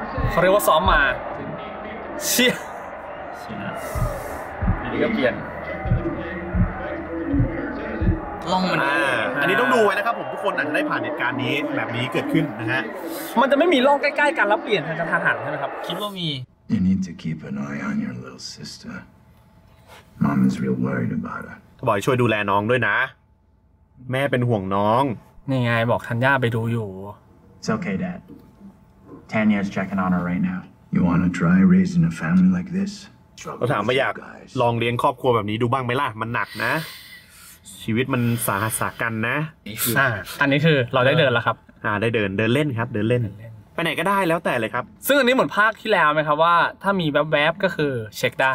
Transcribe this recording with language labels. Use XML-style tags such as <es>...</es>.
<th>เขาเรียกว่าซ้อมมาเชี่ย อันนี้ก็เปลี่ยน ลองมัน อันนี้ต้องดูไว้นะครับผมทุกคนอาจจะได้ผ่านเหตุการณ์นี้แบบนี้เกิดขึ้นนะฮะ มันจะไม่มีล่องใกล้ๆกันแล้วเปลี่ยนทันทันหันใช่ไหมครับ คิดว่ามี</th> <en>You need to keep an eye on your little sister Mom is real worried about her</en> <th>บอยช่วยดูแลน้องด้วยนะแม่เป็นห่วงน้อง นี่ไงบอกทันย่าไปดูอยู่</th> <en>It's okay dad Tanya's checking on her right now You wanna try raising a family like this</en> <th>เราถามว่าอยากลองเลี้ยงครอบครัวแบบนี้ดูบ้างไหมล่ะมันหนักนะชีวิตมันสาหัสกันนะ อันนี้คือเราได้เดินแล้วครับ ได้เดินเดินเล่นครับเดินเล่นไปไหนก็ได้แล้วแต่เลยครับ ซึ่งอันนี้เหมือนภาคที่แล้วไหมครับว่าถ้ามีแวบๆก็คือเช็คได้</th>